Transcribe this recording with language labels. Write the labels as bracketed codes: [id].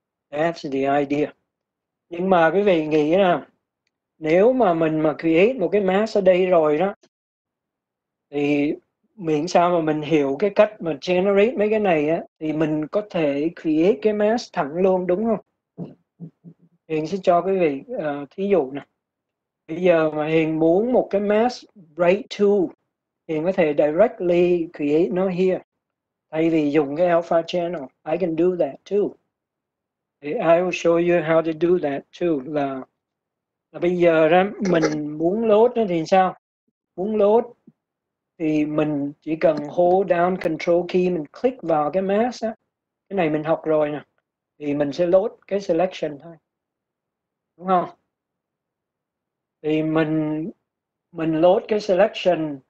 [en] That's the idea. [vi] Nhưng mà quý vị nghĩ nào, nếu mà mình mà create một cái mask ở đây rồi đó, thì miễn sao mà mình hiểu cái cách mà generate mấy cái này á, thì mình có thể create cái mask thẳng luôn, đúng không? Hiền sẽ cho quý vị thí dụ nè. Bây giờ mà Hiền muốn một cái mask bright 2, Hiền có thể directly create nó here. Thay vì dùng cái [en] alpha channel, I can do that too. I will show you how to do that too. [vi] Là bây giờ đó, mình muốn load nó thì sao? Muốn load thì mình chỉ cần hold down control key, mình click vào cái mask á. Cái này mình học rồi nè. Thì mình sẽ load cái selection thôi. Đúng không? Thì mình load cái selection